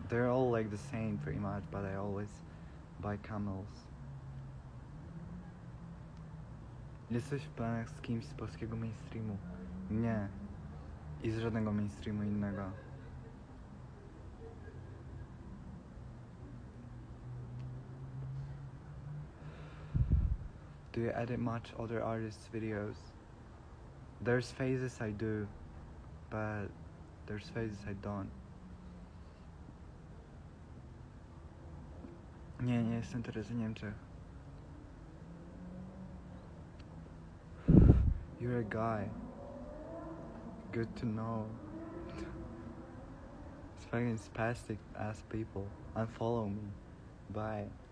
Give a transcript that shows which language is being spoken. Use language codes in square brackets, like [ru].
[en] They're all like the same pretty much, but I always buy Camels. [pl] Jesteś w planach z kimś z polskiego mainstreamu? Nie. I z żadnego mainstreamu innego. [en] Do you edit much other artists' videos? There's phases I do, but there's phases I don't. [pl] Nie, nie jestem teraz w Niemczech. [en] You're a guy. Good to know. It's fucking spastic ass people. Unfollow me. Bye.